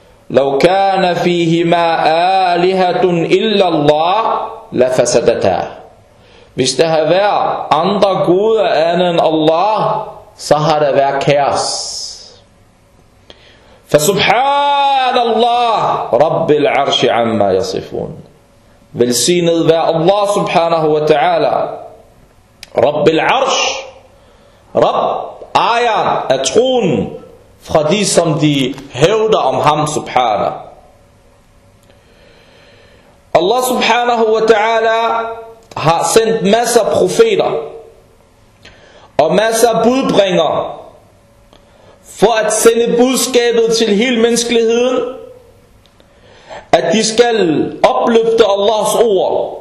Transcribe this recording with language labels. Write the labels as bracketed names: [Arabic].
[Arabic] لو كان فيهما آلهة إلا الله لفسدتا. [Danish] Hvis der havde været andre guder end Allah, så har der været kaos. [Arabic] فسبحان الله رب العرش عما يصفون. [Danish] Velsignet være Allah subhanahu wa ta'ala, [Arabic] رب العرش, [Danish] رب ejeren af tronen, fra de som de hævder om ham subhana. Allah subhanahu wa ta'ala har sendt masser profeter og masser budbringer for at sende budskabet til hele menneskeligheden, at de skal opløfte Allahs ord